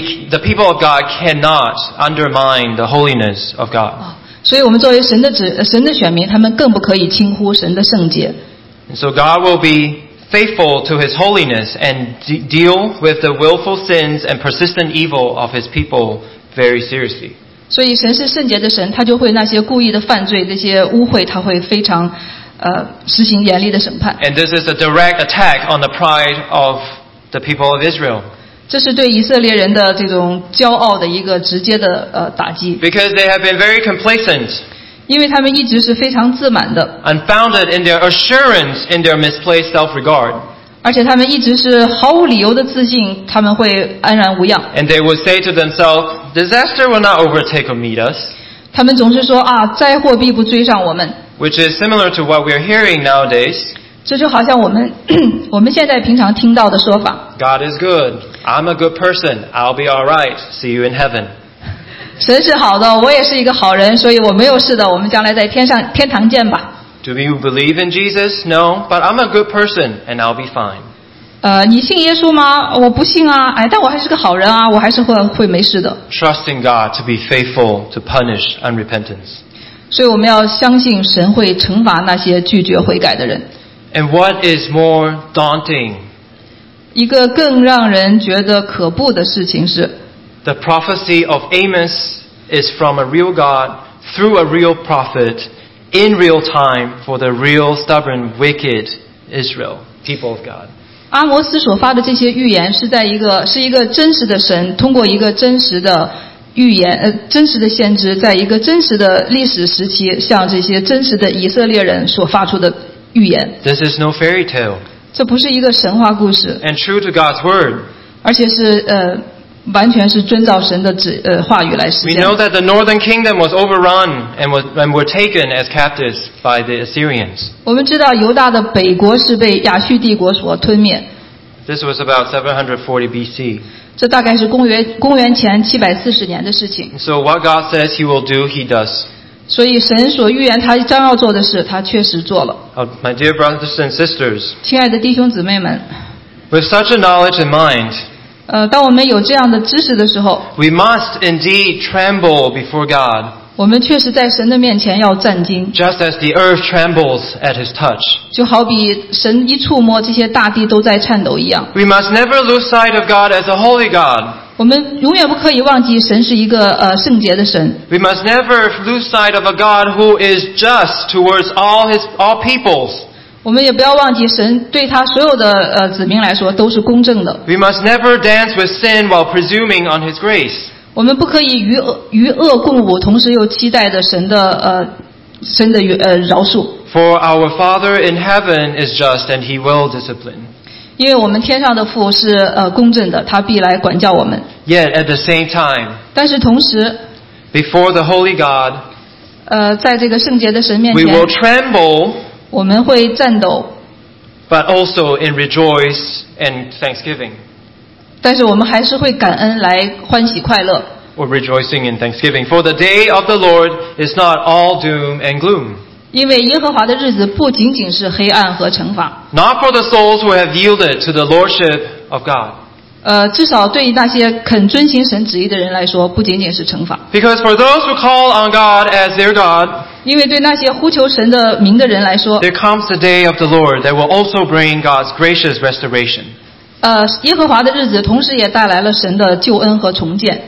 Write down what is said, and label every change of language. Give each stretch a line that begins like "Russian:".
English: The people of God cannot undermine the holiness of God.
Chinese: 所以我们作为神的选民，他们更不可以轻忽神的圣洁。
English: And so God will be faithful to His holiness and deal with the willful sins and persistent evil of His people very seriously.
Chinese: 所以神是圣洁的神，他就会那些故意的犯罪，那些污秽，他会非常实行严厉的审判。
English: And this is a direct attack on the pride of the people of Israel.
Chinese: 这是对以色列人的这种骄傲的一个直接的打击。
English: Because they have been very complacent.
Chinese: 因为他们一直是非常自满的。
English: Unfounded in their assurance in their misplaced self-regard.
Chinese: 而且他们一直是毫无理由的自信，他们会安然无恙。
English: And they would say to themselves, "Disaster will not overtake or meet us."
Chinese: 他们总是说啊，灾祸必不追上我们。
English: Which is similar to what we are hearing nowadays.
Chinese: 这就好像我们现在平常听到的说法。
English: God is good. I'm a good person. I'll be all right. See you in heaven.
Chinese: 神是好的，我也是一个好人，所以我没有事的。我们将来在天堂见吧。
English: Do you believe in Jesus? No, but I'm a good person and I'll be fine.
Chinese: 你信耶稣吗？我不信啊，哎，但我还是个好人啊，我还是会没事的。
English: Trust in God to be faithful to punish unrepentance.
Chinese: 所以我们要相信神会惩罚那些拒绝悔改的人。
English: And what is more daunting?
Chinese: 一个更让人觉得可怖的事情是
English: The prophecy of Amos is from a real God through a real prophet. In real time for the real stubborn, wicked Israel, people of God.
Chinese: 阿摩斯所发的这些预言是在一个是一个真实的神通过一个真实的预言真实的先知在一个真实的历史时期向这些真实的以色列人所发出的预言。
English: This is no fairy tale.
Chinese: 这不是一个神话故事。
English: And true to God's word.
Chinese: 而且是完全是遵照神的话语来实践。
English: We know that the northern kingdom was overrun and were taken as captives by the Assyrians.
Chinese: 我们知道犹大的北国是被亚述帝国所吞灭。
English: This was about 740 BC.
Chinese: 这大概是公元前740年的事情。
English: So what God says He will do, He does.
Chinese: 所以神所预言他将要做的事，他确实做了。
English: My dear brothers and sisters.
Chinese: 亲爱的弟兄姊妹们。
English: With such a knowledge in mind.
Chinese: 当我们有这样的知识的时候
English: We must indeed tremble before God
Chinese: 我们确实在神的面前要战惊
English: Just as the earth trembles at his touch
Chinese: 就好比神一触摸这些大地都在颤抖一样
English: We must never lose sight of God as a holy God
Chinese: 我们永远不可以忘记神是一个圣洁的神
English: We must never lose sight of a God who is just towards all peoples
Chinese: 我们也不要忘记神对他所有的子民来说都是公正的。
English: We must never dance with sin while presuming on His grace.
Chinese: 我们不可以与恶共舞，同时又期待着神的饶恕。
English: For our Father in heaven is just, and He will discipline.
Chinese: 因为我们天上的父是公正的，他必来管教我们。
English: Yet at the same time,
Chinese: 但是同时
English: ，before the holy God,
Chinese: 在这个圣洁的神面前
English: ，we will tremble.
Chinese: 我们会颤抖
English: but also in rejoice and thanksgiving.
Chinese: 但是我们还是会感恩来欢喜快乐
English: We're rejoicing in thanksgiving. For the day of the Lord is not all doom and gloom.
Chinese: 因为耶和华的日子不仅仅是黑暗和惩罚
English: Not for the souls who have yielded to the lordship of God.
Chinese: 至少对那些肯遵行神旨意的人来说不仅仅是惩罚
English: Because for those who call on God as their God,
Chinese: 因为对那些呼求神的名的人来说
English: There comes the day of the Lord that will also bring God's gracious restoration.
Chinese: 耶和华的日子同时也带来了神的救恩和重建